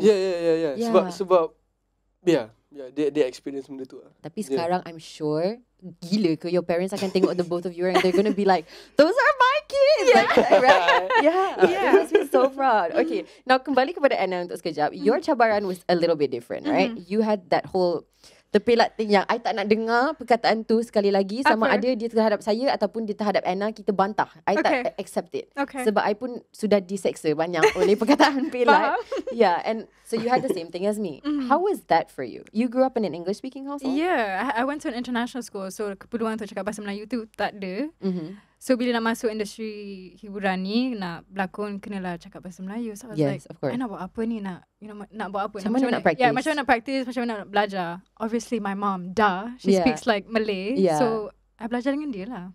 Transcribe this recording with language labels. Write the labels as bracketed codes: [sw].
[ms] Yeah. Sebab, [en] they experience [ms] benda tu lah. Tapi sekarang [en] I'm sure, [ms] gila ke [en] your parents [ms] akan tengok [en] the both of you and they're going to be like, those are my kids! Yeah. Like, right? Yeah. They must be so proud. Okay. Now, [ms] kembali kepada Anna untuk sekejap. [en] Your cabaran was a little bit different, right? You had that whole... [ms] Terpelat yang I tak nak dengar perkataan tu sekali lagi. Sama ada dia terhadap saya ataupun dia terhadap Anna, kita bantah. [en] I tak accept it. Okay. [ms] Sebab I pun sudah diseksa banyak oleh perkataan pelat. [en] Yeah, and so you had the same thing as me. How was that for you? You grew up in an English speaking household? Yeah, I went to an international school. [ms] So keperluan untuk cakap bahasa Melayu tu tak ada. So bila nak masuk industri hiburan ni, nak berlakon, kenalah cakap bahasa Melayu. [en] So I was I [ms] nak buat apa ni, nak, you know, nak buat apa. Macam mana nak practice? Yeah, macam mana nak practice, macam mana nak belajar. [en] Obviously my mom, she speaks like Malay. Yeah. [ms] So I belajar dengan dia lah.